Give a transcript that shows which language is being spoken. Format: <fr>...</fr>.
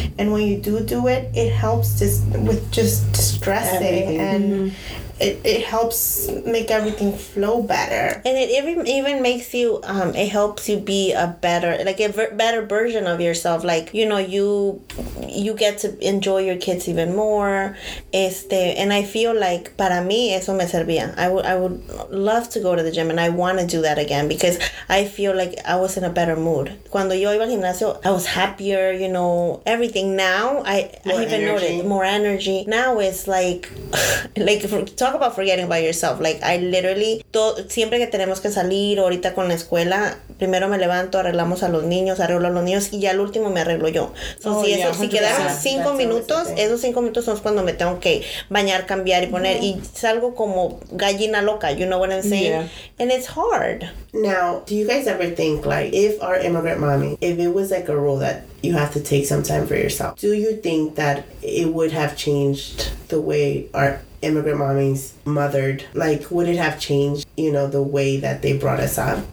<en>And when you do it, it helps just with just stressing. Everything. And it helps make everything flow better. And it even makes you, it helps you be a better, like, a better version of yourself. Like, you know, you get to enjoy your kids even more. And I feel like,</en> <es>para mí, eso me servía.</es> <en>I would love to go to the gym, and I want to do that again, because I feel like I was in a better mood.</en> <es>Cuando yo iba al gimnasio,</es> <en>I was happier, you know, everything. Now, I even noticed more energy. Now, it's like, like, talk talk about forgetting about yourself. Like, I literally,</en> <es>siempre que tenemos que salir ahorita con la escuela, primero me levanto, arreglo a los niños, y ya al último me arreglo yo. Si quedaron cinco minutos, esos 5 minutos son cuando me tengo que bañar, cambiar y poner, mm-hmm. y salgo como gallina loca,</es> <en>you know what I'm saying? Yeah. And it's hard. Now, do you guys ever think, like, if our immigrant mommy, if it was like a rule that you have to take some time for yourself, do you think that it would have changed the way our immigrant mommies mothered? Like, would it have changed, you know, the way that they brought us up?</en>